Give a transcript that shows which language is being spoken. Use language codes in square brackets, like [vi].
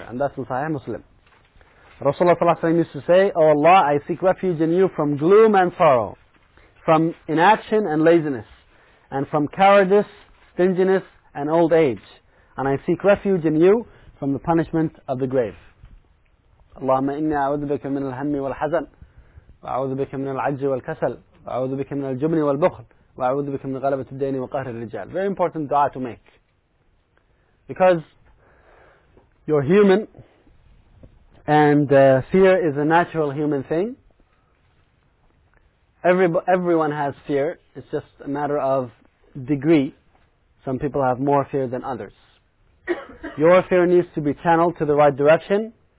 [en] And that's in Sahih Muslim. Rasulullah ﷺ used to say, "O Allah, I seek refuge in you from gloom and sorrow, from inaction and laziness, and from cowardice, stinginess, and old age. And I seek refuge in you from the punishment of the grave." [ar] اللهم إني أعوذ بك من الهم والحزن، وأعوذ بك من العجز والكسل، وأعوذ بك من الجبن والبخل، وأعوذ بك من غلبة الدين وقهر الرجال. [en] Very important dua to make. Because you're human, and fear is a natural human thing. Everyone has fear. It's just a matter of degree. Some people have more fear than others. Your fear needs to be channeled to the right direction.